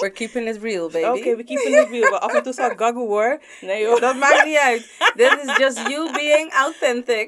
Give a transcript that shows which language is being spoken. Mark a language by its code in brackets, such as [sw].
[en] We're keeping it real, baby. Oké, we're keeping it real. [nl] Af en toe zal ik gaggen hoor. Nee hoor, dat maakt niet uit. [en] This is just you being authentic.